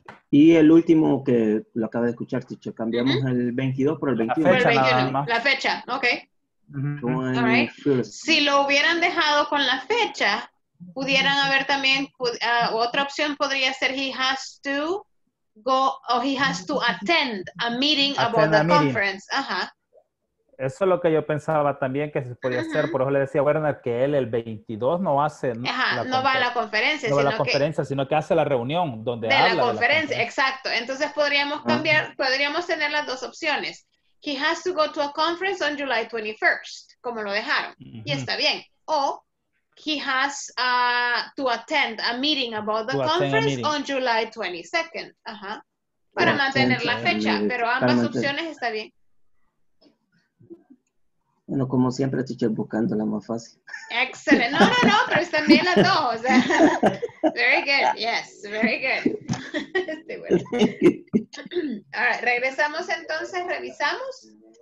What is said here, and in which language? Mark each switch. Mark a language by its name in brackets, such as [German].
[Spanish] Y el último que lo acaba de escuchar, teacher, cambiamos mm-hmm. el 22 por el 21. La fecha, la fecha. Okay. [English] Mm-hmm. All right. First. [Spanish] Si lo hubieran dejado con la fecha, pudieran haber también, otra opción podría ser [English] he has to... go or he has to attend a meeting about the conference. Uh-huh. [Spanish] Eso es lo que yo pensaba también que se podía uh-huh. hacer. Por eso le decía a Werner que él el 22 no hace. Ajá, no va a la conferencia. No va a la conferencia, sino que hace la reunión donde de habla. La de la conferencia, exacto. Entonces podríamos cambiar, uh-huh. podríamos tener las dos opciones. [English] He has to go to a conference on July 21st, [Spanish] como lo dejaron. [English] Uh-huh. [Spanish] Y está bien. [English] O he has to attend a meeting about the conference on July 22nd. Uh-huh. [Spanish] Para mantener la fecha, pero ambas opciones está bien. Bueno, como siempre, teacher, buscando la más fácil. Excelente. No, no, no, pero están bien las dos. O sea, [English] very good. Yes, very good. [Spanish] Bueno. [English] All right, [Spanish] regresamos entonces, revisamos.